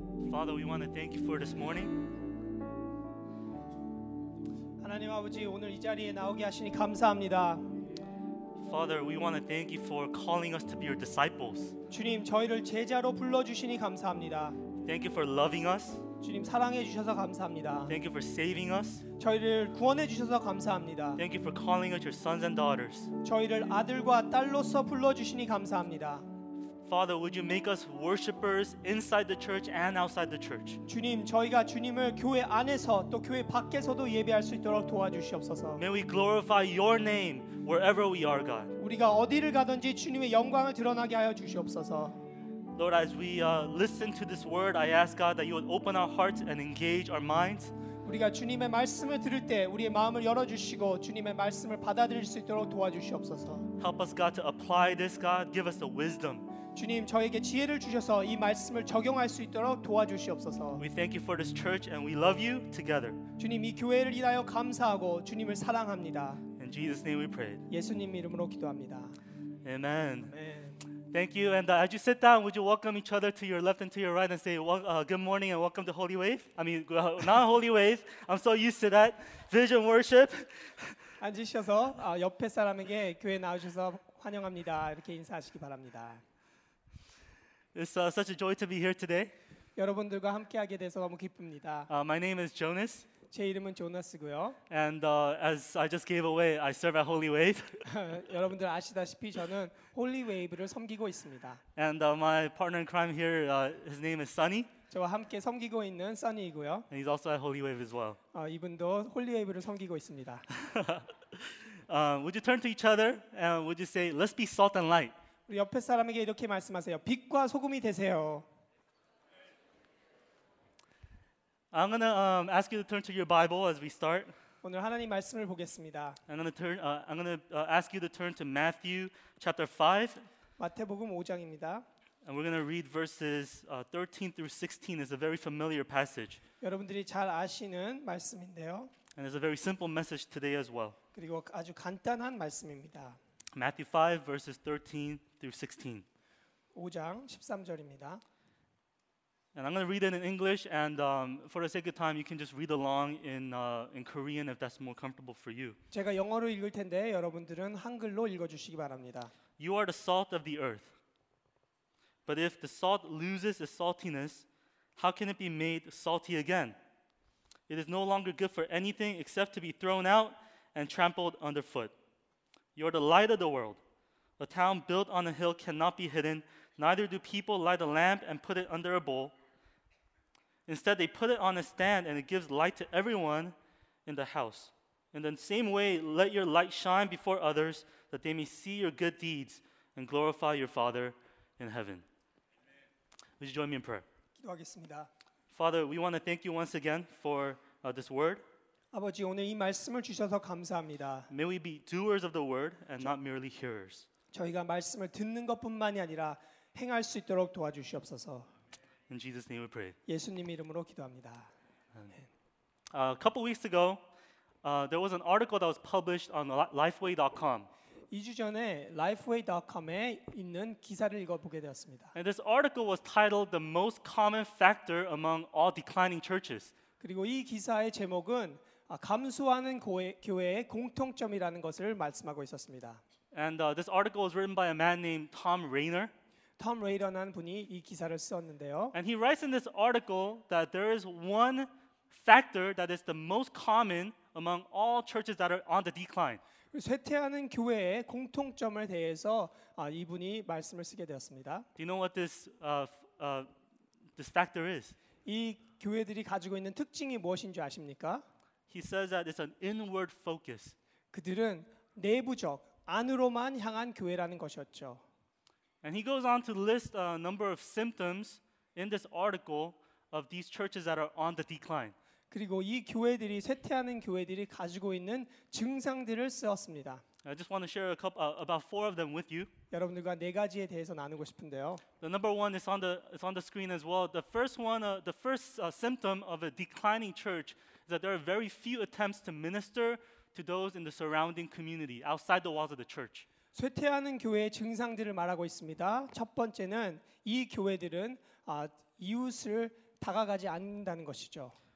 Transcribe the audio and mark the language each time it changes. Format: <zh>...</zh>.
<en>Father, we want to thank you for this morning.</en> <ko>하나님 아버지 오늘 이 자리에 나오게 하시니 감사합니다.</ko> <en>Father, we want to thank you for calling us to be your disciples.</en> <ko>주님 저희를 제자로 불러주시니 감사합니다.</ko> <en>Thank you for loving us.</en> <ko>주님 사랑해 주셔서 감사합니다.</ko> <en>Thank you for saving us.</en> <ko>저희를 구원해 주셔서 감사합니다.</ko> <en>Thank you for calling us your sons and daughters.</en> <ko>저희를 아들과 딸로서 불러주시니 감사합니다.</ko> <en>Father, would you make us worshipers inside the church and outside the church?</en> <ko>주님, 저희가 주님을 교회 안에서 또 교회 밖에서도 예배할 수 있도록 도와주시옵소서.</ko> <en>May we glorify your name wherever we are, God.</en> <ko>우리가 어디를 가든지 주님의 영광을 드러나게 하여 주시옵소서.</ko> <en>Lord, as we listen to this word, I ask God that you would open our hearts and engage our minds.</en> <ko>우리가 주님의 말씀을 들을 때 우리의 마음을 열어주시고 주님의 말씀을 받아들일 수 있도록 도와주시옵소서.</ko> <en>Help us, God, to apply this, God. Give us the wisdom.</en> <ko>주님 저에게 지혜를 주셔서 이 말씀을 적용할 수 있도록 도와주시옵소서.</ko> <en>We thank you for this church and we love you together.</en> <ko>주님 이 교회를 인하여 감사하고 주님을 사랑합니다.</ko> <en>In Jesus' name we pray.</en> <ko>예수님 이름으로 기도합니다.</ko> <en>Amen. Amen. Thank you. And as you sit down, would you welcome each other to your left and to your right and say, good morning and welcome to Holy Wave. I mean, not Holy Wave. I'm so used to that. Vision Worship.</en> <ko>앉으셔서 옆에 사람에게 교회 나오셔서 환영합니다. 이렇게 인사하시기 바랍니다.</ko> <en>It's such a joy to be here today.</en> <ko>여러분들과 함께하게 돼서 너무 기쁩니다.</ko> <en>My name is Jonas.</en> <ko>제 이름은 조나스고요.</ko> <en>And as I just gave away, I serve at Holy Wave.</en> <ko>여러분들 아시다시피 저는 Holy Wave를 섬기고 있습니다.</ko> <en>And my partner in crime here, his name is Sunny.</en> <ko>저와 함께 섬기고 있는 Sunny이고요.</ko> <en>And he's also at Holy Wave as well.</en> <ko>이분도 Holy Wave를 섬기고 있습니다.</ko> <en>Would you turn to each other and would you say, "Let's be salt and light."</en> <ko>우리 옆에 사람에게 이렇게 말씀하세요. 빛과 소금이 되세요.</ko> <en>I'm going to ask you to turn to your Bible as we start.</en> <ko>오늘 하나님 말씀을 보겠습니다.</ko> <en>I'm going to ask you to turn to Matthew chapter 5.</en> <ko>마태복음 5장입니다.</ko> <en>And we're going to read verses 13 through 16. It's a very familiar passage.</en> <ko>여러분들이 잘 아시는 말씀인데요.</ko> <en>And it's a very simple message today as well.</en> <ko>그리고 아주 간단한 말씀입니다.</ko> <en>Matthew 5 verses 13 through 16.</en> <ko>5장 13절입니다.</ko> <en>And I'm going to read it in English, and for the sake of time, you can just read along in Korean if that's more comfortable for you.</en> <ko>제가 영어로 읽을 텐데 여러분들은 한글로 읽어주시기 바랍니다.</ko> <en>You are the salt of the earth. But if the salt loses its saltiness, how can it be made salty again? It is no longer good for anything except to be thrown out and trampled underfoot. You are the light of the world. A town built on a hill cannot be hidden. Neither do people light a lamp and put it under a bowl. Instead, they put it on a stand and it gives light to everyone in the house. In the same way, let your light shine before others that they may see your good deeds and glorify your Father in heaven. Amen. Would you join me in prayer?</en> <ko>기도하겠습니다.</ko> <en>Father, we want to thank you once again for this word.</en> <ko>아버지 오늘 이 말씀을 주셔서 감사합니다.</ko> <en>May we be doers of the word and not merely hearers.</en> <ko>저희가 말씀을 듣는 것뿐만이 아니라 행할 수 있도록 도와주시옵소서.</ko> <en>In Jesus' name we pray.</en> <ko>예수님 이름으로 기도합니다.</ko> <en>A couple weeks ago, there was an article that was published on Lifeway.com.</en> <ko>2주 전에 Lifeway.com에 있는 기사를 읽어보게 되었습니다.</ko> <en>And this article was titled "The Most Common Factor Among All Declining Churches."</en> <ko>그리고 이 기사의 제목은 감소하는 교회의 공통점이라는 것을 말씀하고 있었습니다.</ko> <en>And this article was written by a man named Tom Rainer.</en> <ko>Tom Rainer라는 분이 이 기사를 썼는데요.</ko> <en>And he writes in this article that there is one factor that is the most common among all churches that are on the decline.</en> <ko>쇠퇴하는 교회의 공통점에 대해서 이분이 말씀을 쓰게 되었습니다.</ko> <en>Do you know what this factor is?</en> <ko>이 교회들이 가지고 있는 특징이 무엇인지 아십니까?</ko> <en>He says that it's an inward focus.</en> <ko>그들은 내부적, 안으로만 향한 교회라는 것이었죠.</ko> <en>And he goes on to list a number of symptoms in this article of these churches that are on the decline.</en> <ko>그리고 이 교회들이 쇠퇴하는 교회들이 가지고 있는 증상들을 쓰었습니다.</ko> <en>I just want to share a couple about four of them with you.</en> <ko>여러분들과 네 가지에 대해서 나누고 싶은데요.</ko> <en>The number one is on the screen as well. The first symptom of a declining church is that there are very few attempts to minister to those in the surrounding community outside the walls of the church.</en> <ko>쇠퇴하는 교회의 증상들을 말하고 있습니다. 첫 번째는 이 교회들은 이웃을 다가가지 않는다는 것이죠.</ko>